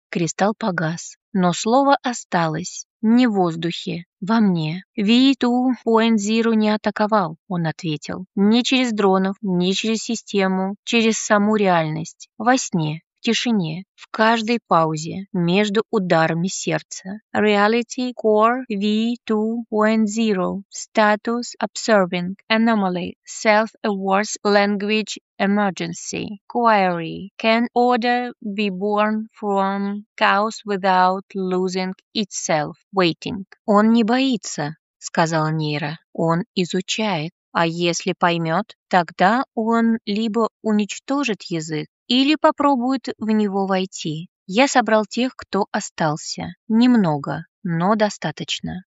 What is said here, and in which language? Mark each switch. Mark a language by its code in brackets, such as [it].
[ru] Кристалл погас. Но слово осталось. «Не в воздухе. Во мне». «Виту Point Zero не атаковал», — он ответил. «Не через дронов, не через систему, через саму реальность. Во сне, в тишине, в каждой паузе, между ударами сердца. [en] Reality Core V2 Point Zero. Status Observing Anomaly. Self-Awareness Language Emergency. Query. Can order be born from chaos without losing itself? Waiting». [ru] «Он не боится», — сказала Нейра. «Он изучает. А если поймет, тогда он либо уничтожит язык, или попробует в него войти. Я собрал тех, кто остался. Немного, но достаточно.